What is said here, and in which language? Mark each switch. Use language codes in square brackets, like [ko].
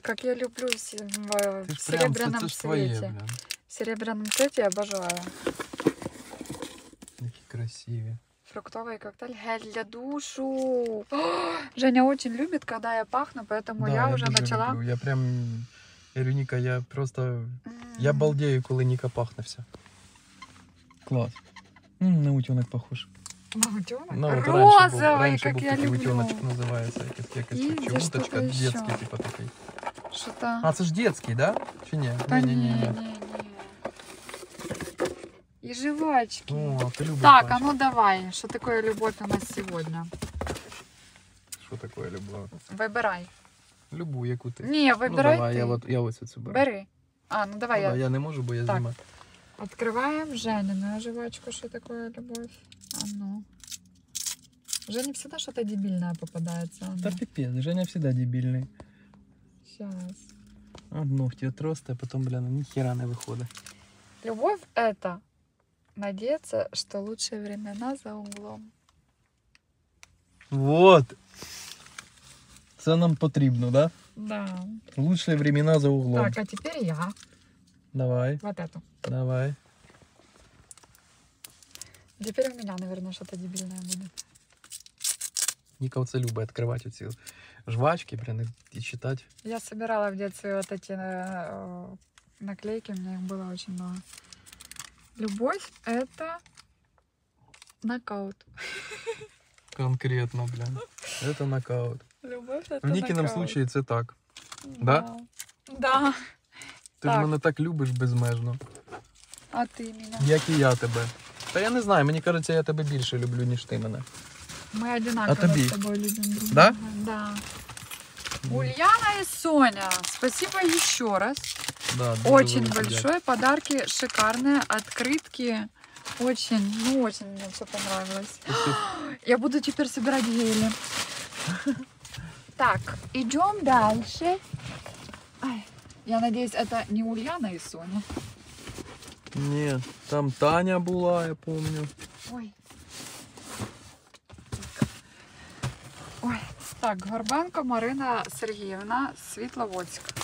[ru] Как я люблю в серебряном цвете. В серебряном цвете я обожаю. Какие красивые. Фруктовый коктейль. Гель для душу. О, Женя очень любит, когда я пахну, поэтому да, я уже начала. Люблю. Я прям... Я говорю, Ніка, я просто... [uk] Я балдею, коли Ніка пахне все. [ru] Клас. На утенок похож. [uk] На утенок? Ну, розовий, як я люблю. Раньше був такий утеночок називається. Якась чумуточка детський, типа такий. Що там? А це ж детський, да? Чи ні? Та ні. І жвачки. О, ти любиш. Так, пачки. А ну давай. Що таке любов у нас сьогодні? Що таке любов? Вибирай. Любу, яку ти. Ні, вибирай ну, давай, ти. Я ось оцю беру. Бери. А, ну давай. Я не можу, бо я знімаю. Відкриваємо Женю на жвачку, що таке любов. А ну. [ru] Женя всегда что-то дебильное попадается. Да пипец, Женя всегда дебильный. Сейчас. Одну в тебе трост, а потом, блин, ни хера не выходит. Любовь — это надеяться, что лучшие времена за углом. Вот. Это нам потребно, да? Да. Лучшие времена за углом. Так, а теперь я. Давай. Вот эту. Давай. Теперь у меня, наверное, что-то дебильное будет. Ника вот это любит открывать вот эти жвачки, блин, и читать. Я собирала в детстве вот эти наклейки, у меня их было очень много. Любовь — это нокаут. Конкретно, блин, это нокаут. Любовь — это нокаут. В Никином случае это так, да? Да. [uk] Ты ж мене так любиш безмежно. А ти мене? Як і я тебе. Та я не знаю, мені кажеться, я тебе більше люблю, ніж ти мене. Ми одинаково з тобою любимо. Да? Да. Mm. Ульяна і Соня, спасибо ще раз. [ru] Да, очень большое. Подарки шикарные, открытки. Очень, ну очень мне все понравилось. Я буду теперь собирать гели. Так, идем дальше. Ай. Я надеюсь, это не Ульяна и Соня. Нет, там Таня была, я помню. Ой. Ой. Так, Горбенко Марина Сергеевна, Світловодськ.